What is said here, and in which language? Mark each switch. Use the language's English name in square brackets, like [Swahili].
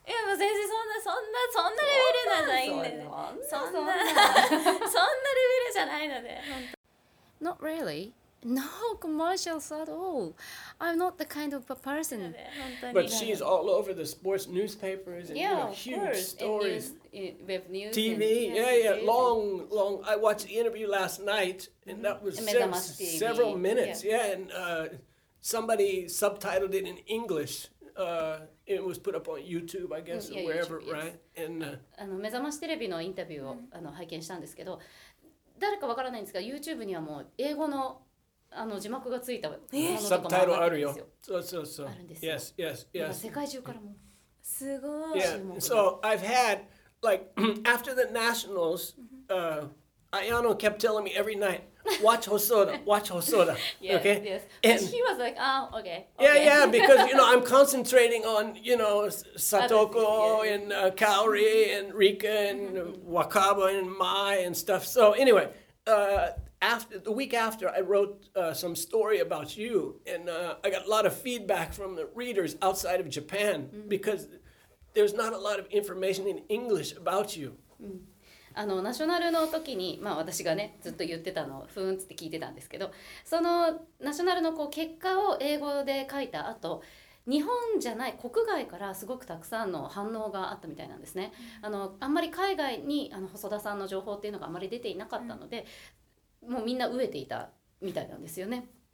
[Japanese] いやもう全然そんなレベルじゃないんで、そんなレベルじゃないので本当 [English] Not reallyNo commercials at all. I'm not the kind of a person. But she's all over the sports newspapers and yeah, you know, huge stories. Web news. TV. And, yeah, yeah. Long. I watched the interview last night and that was several minutes. Yeah, and somebody subtitled it in English. It was put up on YouTube, I guess, or wherever, YouTube, right? Yes. And, [Japanese] めざましテレビのインタビューを拝見したんですけど、誰かわからないんですが、YouTube にはもう英語の字幕がついたものとかもあるんですよ。 Subtitle あるよ。そう。あるんですよ。 [English] Yes, yes, yes. [Japanese] 世界中からも。すごい。 [English] Yeah. So I've had, like, after the Nationals, Ayano kept telling me every night, watch Hosoda, watch Hosoda. Okay? Yes, yes. He was like, oh, okay. Yeah, yeah, because, you know, I'm concentrating on, you know, Satoko and Kaori and Rika and Wakaba and Mai and stuff. So anyway, After, the week after, I wrote some story about you, and I got a lot of feedback from the readers outside of Japan, because there's not a lot of information in English about you. [Japanese] ナショナルの時に、まあ、私がね、ずっと言ってたのを、ふーんつって聞いてたんですけど、そのナショナルのこう結果を英語で書いた後、日本じゃない国外からすごくたくさんの反応があったみたいなんですね。あんまり海外に細田さんの情報っていうのがあまり出ていなかったので、もうみんな飢えていたみたいなんですよね。